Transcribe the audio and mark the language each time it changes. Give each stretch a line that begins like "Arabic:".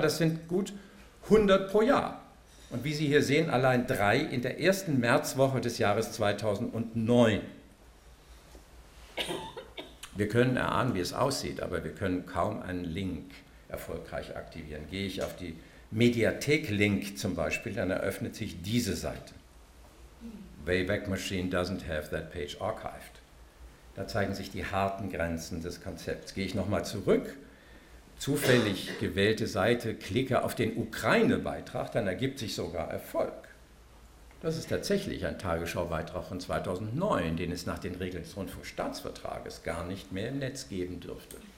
German: Das sind gut 100 pro Jahr. Und wie Sie hier sehen, allein drei in der ersten Märzwoche des Jahres 2009. Wir können erahnen, wie es aussieht, aber wir können kaum einen Link erfolgreich aktivieren. Gehe ich auf die Mediathek-Link zum Beispiel, dann eröffnet sich diese Seite.
English: Wayback Machine doesn't have that page archived.
German: Da zeigen sich die harten Grenzen des Konzepts. Gehe ich nochmal zurück, zufällig gewählte Seite, klicke auf den Ukraine-Beitrag, dann ergibt sich sogar Erfolg. Das ist tatsächlich ein Tagesschau-Beitrag von 2009, den es nach den Regeln des Rundfunkstaatsvertrages gar nicht mehr im Netz geben dürfte.